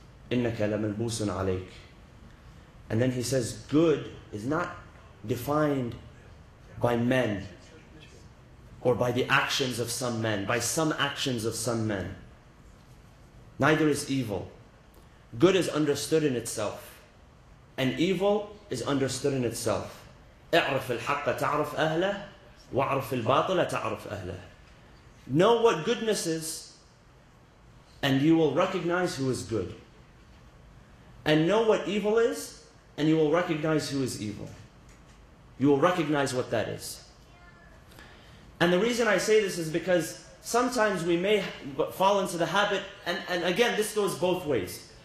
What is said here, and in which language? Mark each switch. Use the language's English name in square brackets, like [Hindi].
[English] Innaka lamalbusun alayk. And then he says, good is not defined by men. Or by the actions of some men, by some actions of some men. Neither is evil. Good is understood in itself. And evil is understood in itself. [Arabic] اعرف الحق تعرف أهله واعرف الباطل تعرف أهله. [English] Know what goodness is and you will recognize who is good. And know what evil is, and you will recognize who is evil. You will recognize what that is. And the reason I say this is because sometimes we may fall into the habit, and again, this goes both ways.